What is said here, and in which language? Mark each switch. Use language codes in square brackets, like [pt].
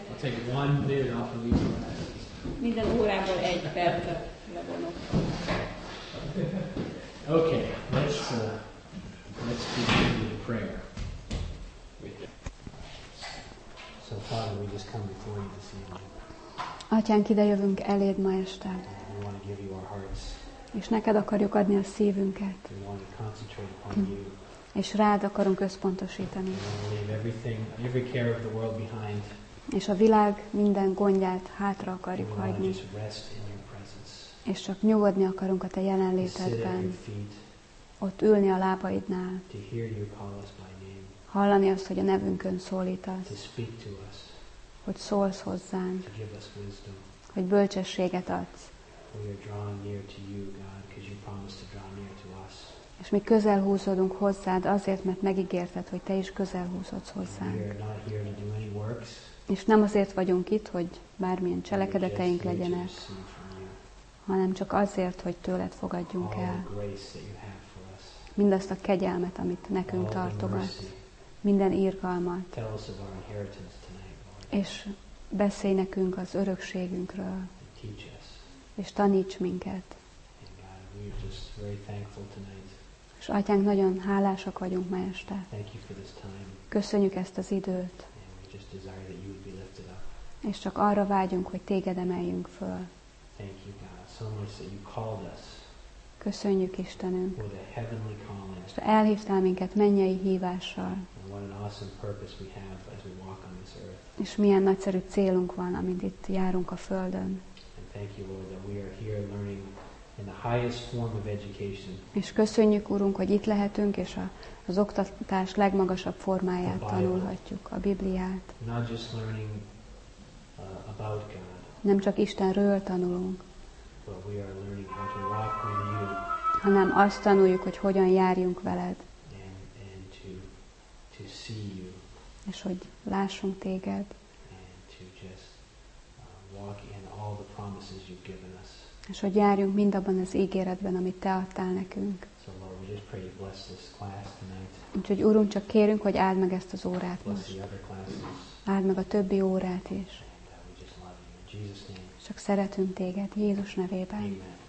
[en] I'll take 1 minute off of each class. [hu] Minden órából egy percet levonok. [en] Okay, let's begin with prayer. So Father, we just come before you this evening. [hu] Atyánk, ide jövünk eléd ma este. [en] We want to give you our hearts. [hu] És neked akarjuk adni a szívünket. [en] We want to concentrate upon you. [hu] És rád akarunk összpontosítani. [en] We want to leave everything, every care of the world behind. [hu] És a világ minden gondját hátra akarjuk hagyni. [en] We want to just rest in your presence. [hu] És csak nyugodni akarunk a te jelenlétedben. Ott ülni a lábaidnál. [en] To hear you call us by name. [hu] Hallani azt, hogy a nevünkön szólítasz. [en] To speak to us. [hu] Hogy szólsz hozzánk. [en] To give us wisdom. [hu] Hogy bölcsességet adsz. [en] We are drawn near to you, God, because you promised to draw near to us. [hu] És mi közel húzódunk hozzád azért, mert megígérted, hogy te is közel húzódsz hozzánk. [en] We are not here to do any works. [hu] És nem azért vagyunk itt, hogy bármilyen cselekedeteink legyenek, hanem csak azért, hogy tőled fogadjunk [en] all The grace that you have for us. [hu] Mindazt a kegyelmet, amit nekünk [en] all [hu] tartogat. Minden irgalmat. [en] Tell us of our inheritance tonight, Lord. [hu] És beszélj nekünk az örökségünkről. [en] Teach us. [hu] És taníts minket. [en] God, we are just very thankful tonight. [hu] És Atyánk, nagyon hálásak vagyunk ma este. [en] Thank you for this time. [hu] Köszönjük ezt az időt. [en] And we just desire that you would be lifted up. [hu] És csak arra vágyunk, hogy téged emeljünk föl. [en] Thank you, God, so much that you called us. [hu] Köszönjük, Istenünk. [en] With a heavenly calling. [hu] És elhívtál minket mennyei hívással. [en] And what an awesome purpose we have as we walk on this earth. [hu] És milyen nagyszerű célunk van, amint itt járunk a földön. [en] Thank you, Lord, that we are here learning in the highest form of education. [hu] És köszönjük, Urunk, hogy itt lehetünk, és az oktatás legmagasabb formáját tanulhatjuk, a Bibliát. [en] Not just learning about God. [hu] Nem csak Istenről tanulunk. [en] But we are learning how to walk with you. [hu] Hanem azt tanuljuk, hogy hogyan járjunk veled. [en] And to see you. [hu] És hogy lássunk téged. [en] And to just walk in all the promises you've given us. [hu] És hogy járjunk mindabban az ígéretben, amit te adtál nekünk. [en] So Lord, we just pray you bless this class tonight. [hu] Úgyhogy Urunk, csak kérünk, hogy áld meg ezt az órát [en] most. Bless the other classes. [hu] Áld meg a többi órát is. [en] And we just love you in Jesus' name. [hu] Csak szeretünk téged Jézus nevében.